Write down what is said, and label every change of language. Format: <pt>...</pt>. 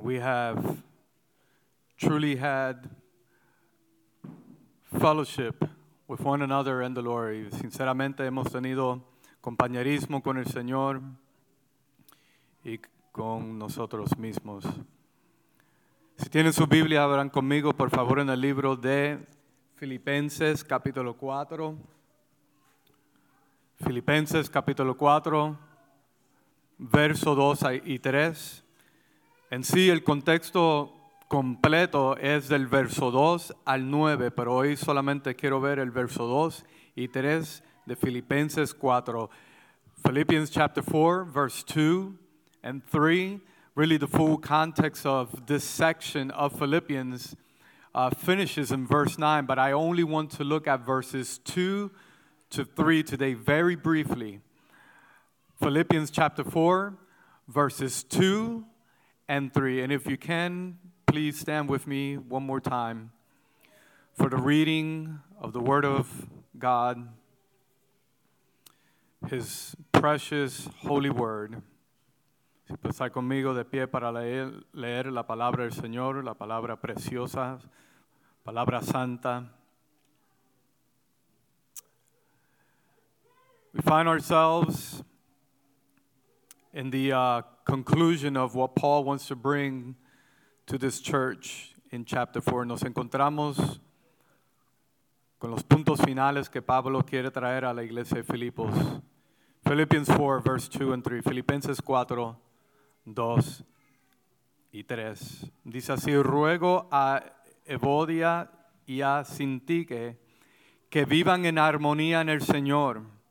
<en>we have truly had fellowship with one another and the Lord.</en> <es>Y sinceramente hemos tenido compañerismo con el Señor y con nosotros mismos. Si tienen su Biblia, abran conmigo, por favor, en el libro de Filipenses, capítulo 4. Filipenses, capítulo 4, verso 2 y 3. En sí, el contexto completo es del verso 2 al 9, pero hoy solamente quiero ver el verso 2 y 3 de Filipenses 4.</es> <en>Philippians chapter 4, verse 2 and 3, really the full context of this section of Philippians finishes in verse 9, but I only want to look at verses 2 to 3 today very briefly. Philippians chapter 4, verses 2 and 3. And if you can, please stand with me one more time for the reading of the Word of God, His precious Holy Word.</en> <es>Si puede estar conmigo de pie para leer la palabra del Señor, la palabra preciosa, palabra santa.</es> <en>We find ourselves in the conclusion of what Paul wants to bring to this church in chapter 4.</en> <es>Nos encontramos con los puntos finales que Pablo quiere traer a la iglesia de Filipos.</es> <en>Philippians 4, verse 2 and 3.</en> <es>Filipenses 4, 2 y 3. Dice así, ruego a Evodia y a Sintique que vivan en armonía en el Señor.</es>